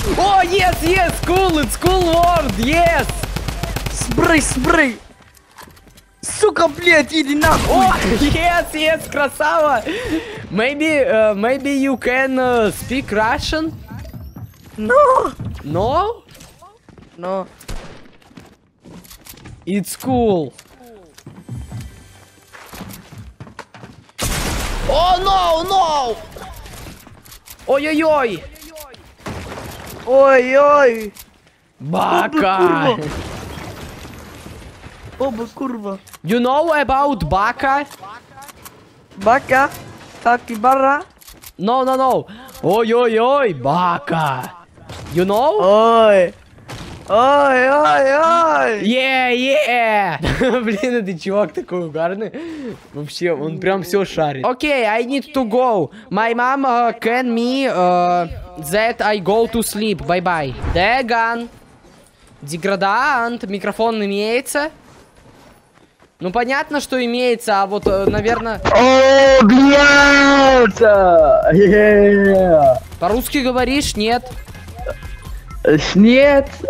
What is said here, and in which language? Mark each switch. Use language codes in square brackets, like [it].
[en] О, yes, cool, it's cool word, yes! [ru] Спрей! Сука, блядь, иди нахуй! О, [en] yes, [ru] красава! [en] Maybe you can speak Russian? No! No? No. It's cool. Oh, no! Ой-ой-ой! Ой-ой! Бака! [ru] Оба курва! [en] You know about Бака? [ru] Бака? Как и бара? [en] No! Ой-ой-ой! Бака! You know? Ой! Yeah! [ru] Блин, это чувак такой угарный. Вообще, он прям все шарит. [en] Okay, I need to go. My mom can me... That I go to sleep. Bye-bye. Dagan. [ru] Деградант, микрофон имеется. Ну понятно, что имеется, а вот, наверное. О, блядь! По-русски говоришь, нет? Нет!